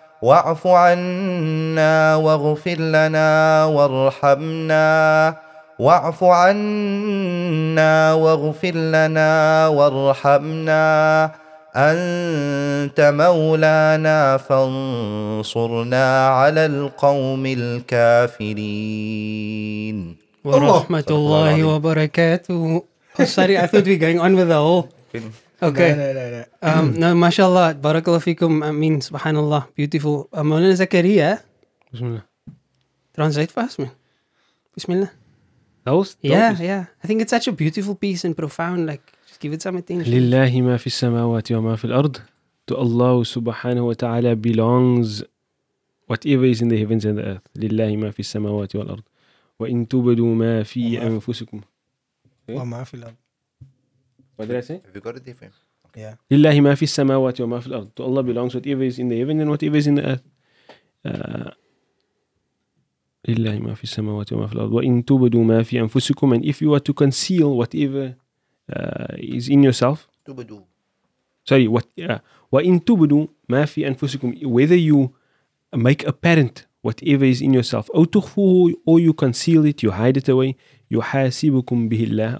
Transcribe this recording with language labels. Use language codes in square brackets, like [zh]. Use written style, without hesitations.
[ar] واعف عنا واغفر لنا وارحمنا واعف عنا واغفر لنا وارحمنا أنت مولانا فانصرنا على القوم الكافرين. ورحمة الله وبركاته. [en] Sorry, I thought we're going on with the whole. Okay. No. [ar] ما شاء الله. بارك الله فيكم. [en] I mean, [ar] سبحان الله. [en] Beautiful. [ar] مولانا زكريا. بسم الله. [en] Translate for us, man. [ar] بسم الله. [en] Yeah. I think it's such a beautiful piece and profound. Like, just give it some attention. [ar] لله ما في السماوات وما في الأرض. [en] To Allah [ar] سبحانه وتعالى [en] belongs whatever is in the heavens and the earth. [ar] لله ما في السماوات والأرض. وإن تبدوا ما في أنفسكم وما في الأرض. [en] What did I say? Have you got it different? Yeah. [ar] لله ما في السماوات وما في الأرض. [en] To Allah belongs whatever is in the heaven and whatever is in the earth. [ar] لله ما في السماوات وما في الأرض وإن تبدوا ما في أنفسكم. [en] And if you were to conceal whatever is in yourself. [ar] تبدوا. [en] Sorry. What? [ar] وإن تبدوا ما في أنفسكم. [en] Whether you make apparent whatever is in yourself. [ar] أو تخفوه. [en] Or you conceal it. You hide it away. [ar] يحاسبكم به الله.